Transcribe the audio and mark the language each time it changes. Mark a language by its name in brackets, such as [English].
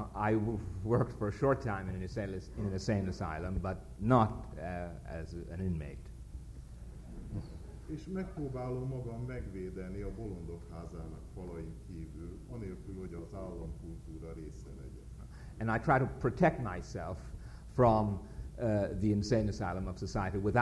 [English] I worked for a short time in an insane asylum, but not as an inmate. [Hungarian] És megpróbálom magam megvédeni a Bolondok házának falain kívül, anélkül, hogy az államkultúra része legyen. [English] And I try to protect myself from the insane asylum of society